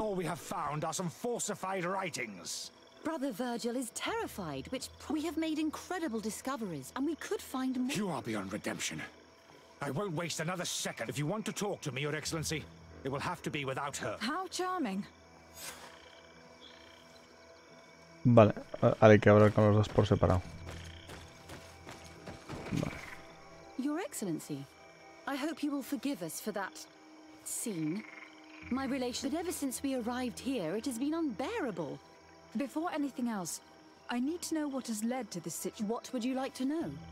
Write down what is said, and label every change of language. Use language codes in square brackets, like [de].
[en] all we have found are some falsified writings. Brother Virgil is terrified, which... We have made incredible discoveries, and we could find more... You are beyond redemption. I won't waste another second. If you want to talk to me, Your Excellency, it will have to be without her. How charming. [es] Vale, hay que hablar con los dos por separado. Vale. [en] Your Excellency, I hope you will forgive us for that scene. My relation, but ever since we arrived here, it has been unbearable. Before anything else, I need to know what has led to this situation. What would you like to know?